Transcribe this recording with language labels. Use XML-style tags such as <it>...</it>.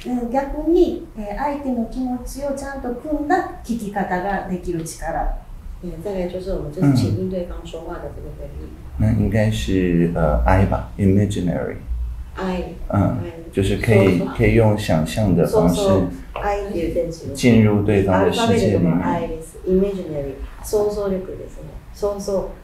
<ja>逆に相手の気持ちをちゃんと組んだ聞き方ができる力。</ja> <zh>再来就是我们就是倾听对方说话的这个能力。那应该是I 吧 ，imaginary。</zh> <en>I。</en> <zh>就是可以用想象的方式。 I 有点近。进入对方的世界里面。</zh> <ja>I</ja> <zh>是</zh> <ja>imaginary， 想像力ですね。想像。</ja>